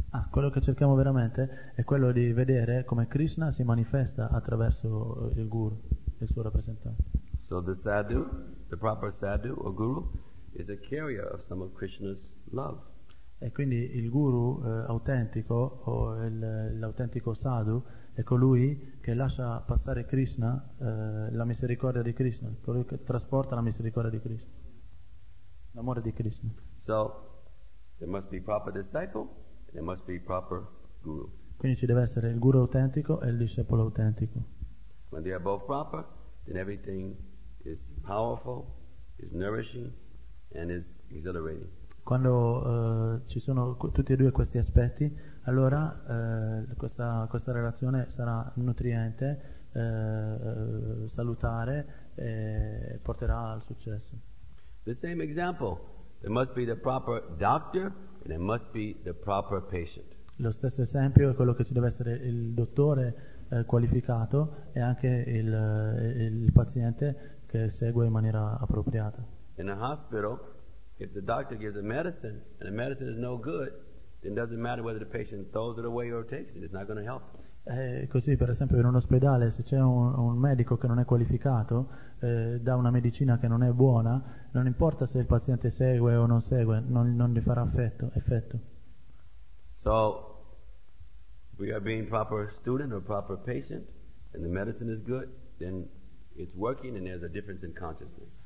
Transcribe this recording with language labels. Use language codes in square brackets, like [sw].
[it] Quello che cerchiamo veramente è quello di vedere come Krishna si manifesta attraverso il guru, il suo rappresentante. [en] So the sadhu, the proper sadhu or guru, is a carrier of some of Krishna's love. [it] E quindi il guru autentico o l'autentico sadhu è colui che lascia passare Krishna, la misericordia di Krishna, colui che trasporta la misericordia di Krishna, l'amore di Krishna. [en] So there must be proper disciple, there must be proper guru. [it] Quindi ci deve essere il guru autentico e il discepolo autentico. [en] When they are both proper, then everything is powerful, is nourishing, and is exhilarating. [it] Quando ci sono tutti e due questi aspetti, allora questa relazione sarà nutriente, salutare, e porterà al successo. [en] The same example, there must be the proper doctor and there must be the proper patient. [it] Lo stesso esempio è quello che ci deve essere il dottore qualificato e anche il paziente che segue in maniera appropriata. [en] In a hospital, if the doctor gives a medicine and the medicine is no good, then it doesn't matter whether the patient throws it away or takes it, it's not going to help. [it] Così, per esempio, in un ospedale, se c'è un medico che non è qualificato, dà una medicina che non è buona, non importa se il paziente segue o non segue, non gli farà effetto. [en] So, we are being proper student or proper patient, and the medicine is good, then it's working and there's a difference in consciousness.